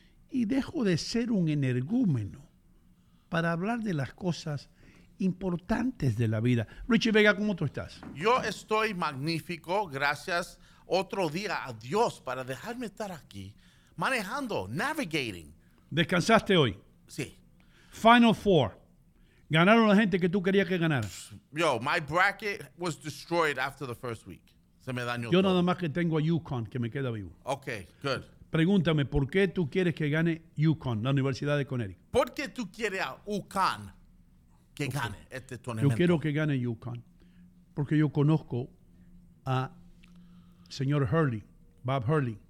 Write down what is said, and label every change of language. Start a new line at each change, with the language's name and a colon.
Spanish: Y dejo de ser un energúmeno para hablar de las cosas importantes de la vida. Richie Vega, ¿cómo tú estás? Yo estoy magnífico. Gracias. Otro día a Dios para dejarme estar aquí manejando, navigating. ¿Descansaste hoy? Sí. Final Four. ¿Ganaron la gente que tú querías que ganara?
English: Yo, my bracket was destroyed after the first week.
Spanish: Se me dañó yo todo. Nada más que tengo a UConn, que me queda vivo.
English: Ok, good.
Spanish: Pregúntame, ¿por qué tú quieres que gane UConn, la Universidad de Connecticut? ¿Por qué tú quieres a UConn que gane este torneo? Yo quiero que gane UConn, porque yo conozco a señor Hurley, Bob Hurley.